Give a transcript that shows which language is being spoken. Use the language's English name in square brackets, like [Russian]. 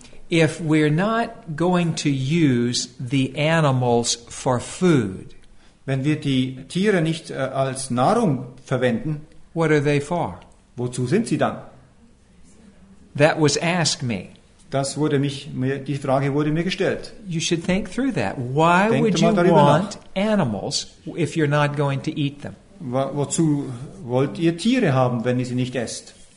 [English] If we're not going to use the animals for food, [German] wenn wir die Tiere nicht als Nahrung verwenden, [English] what are they for? [German] Wozu sind sie dann? [English] That was asked me. [German] Die Frage wurde mir gestellt. [English] You should think through that. Why would you want animals if you're not going to eat them? [German] Wozu wollt ihr Tiere haben, wenn ihr sie nicht esst?